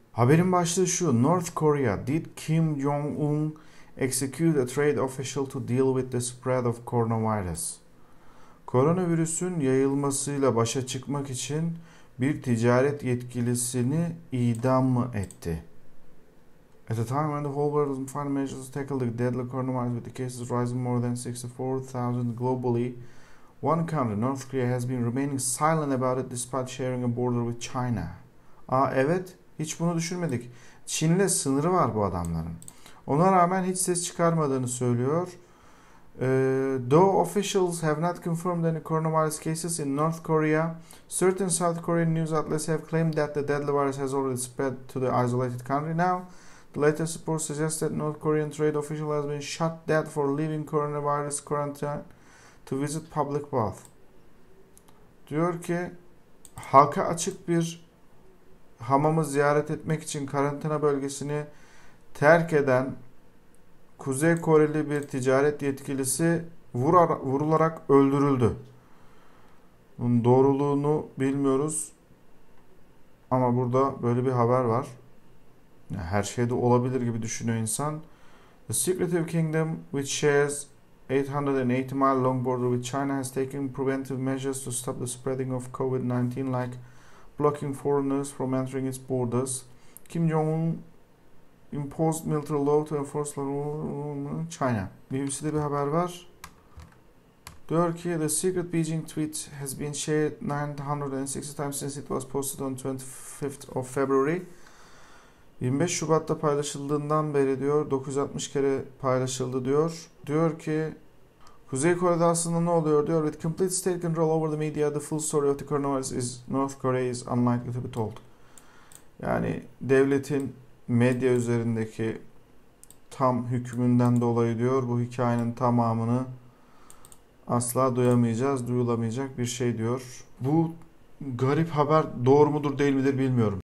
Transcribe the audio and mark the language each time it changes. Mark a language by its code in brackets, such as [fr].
[tr] Haberin başlığı şu: [en] North Korea did Kim Jong-un execute a trade official to deal with the spread of coronavirus. [tr] Koronavirüsün yayılmasıyla başa çıkmak için bir ticaret yetkilisini idam mı etti? [en] At the time when the whole world was in final measures to tackle the deadly coronavirus, with the cases rising more than 64,000 globally, one country, North Korea, has been remaining silent about it despite sharing a border with China. [tr] Evet, hiç bunu düşünmedik. Çin'le sınırı var bu adamların. Ona rağmen hiç ses çıkarmadığını söylüyor. [en] Though officials have not confirmed any coronavirus cases in North Korea, certain South Korean news outlets have claimed that the deadly virus has already spread to the isolated country now. The latest report suggests that North Korean trade official has been shot dead for leaving coronavirus quarantine to visit public bath. [tr] Diyor ki, halka açık bir hamamı ziyaret etmek için karantina bölgesini terk eden Kuzey Koreli bir ticaret yetkilisi vurularak öldürüldü. Bunun doğruluğunu bilmiyoruz. Ama burada böyle bir haber var. Yani her şeyde olabilir gibi düşünüyor insan. [en] The Secretive Kingdom, which shares 880 mile long border with China, has taken preventive measures to stop the spreading of COVID-19, like blocking foreigners from entering its borders. Kim Jong-un imposed military law to enforce the rule in China. [tr] BBC'de bir haber var. Diyor ki, [en] the secret Beijing tweet has been shared 960 times since it was posted on 25th of February. [tr] 25 Şubat'ta paylaşıldığından beri diyor, 960 kere paylaşıldı diyor. Diyor ki, Kuzey Kore'de aslında ne oluyor diyor. [en] With complete state control over the media, the full story of the coronavirus is North Korea is unlikely to be told. [tr] Yani devletin medya üzerindeki tam hükmünden dolayı diyor, bu hikayenin tamamını asla duyamayacağız, duyulamayacak bir şey diyor. Bu garip haber doğru mudur değil midir bilmiyorum.